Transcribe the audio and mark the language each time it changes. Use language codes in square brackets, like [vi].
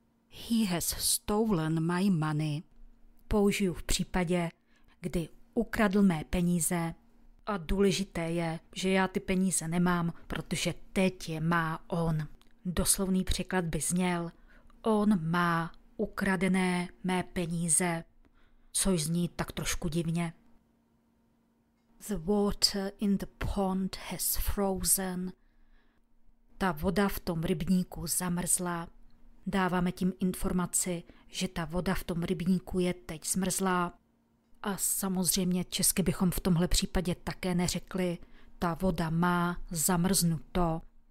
[en] He has stolen my money. [cs] Použiju v případě, kdy ukradl mé peníze. A důležité je, že já ty peníze nemám, protože teď je má on. Doslovný překlad by zněl, on má ukradené mé peníze, což zní tak trošku divně. [en] The water in the pond has frozen. [cs] Ta voda v tom rybníku zamrzla. Dáváme tím informaci, že ta voda v tom rybníku je teď zmrzlá. A samozřejmě česky bychom v tomhle případě také neřekli, ta voda má zamrznuto.